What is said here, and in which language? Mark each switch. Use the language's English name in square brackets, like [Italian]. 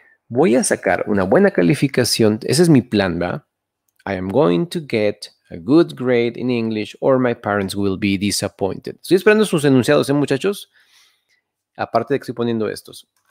[Spanish] Voy a sacar una buena calificación. Ese es mi plan, ¿va? [English] I am going to get a good grade in English or my parents will be disappointed. [Spanish] Estoy esperando sus enunciados, muchachos. Aparte de que estoy poniendo estos.